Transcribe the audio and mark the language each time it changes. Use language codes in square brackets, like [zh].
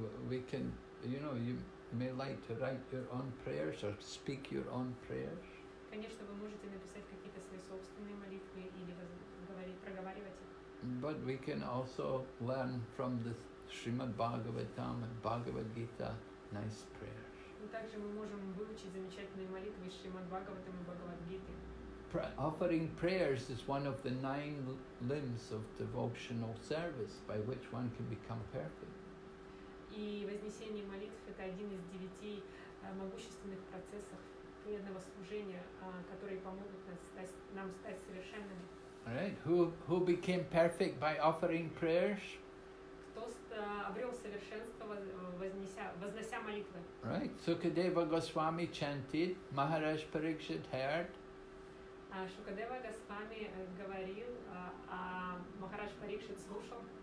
[en] We can, you know, you may like to write your own prayers or speak your own prayers. [ru] Конечно, вы можете написать какие-то свои собственные молитвы или проговаривать их. [en] But we can also learn from the Srimad Bhagavatam and Bhagavad Gita nice prayers. [ru] Но также мы можем выучить замечательные молитвы из Шримад Бхагаватам и Бхагавад Гиты. [en] Offering prayers is one of the nine limbs of devotional service by which one can become perfect. [ru] И вознесение молитв это один из девяти могущественных процессов преданного служения, которые помогут нам стать совершенными. [en] All right, who became perfect by offering prayers? [ru] Кто обрел совершенство вознося молитвы? [en] All right, Sukadeva Goswami chanted, Maharaj Parikshit heard. [ru] Шукадева Госвами говорил, а Махарадж Парикшит слушал.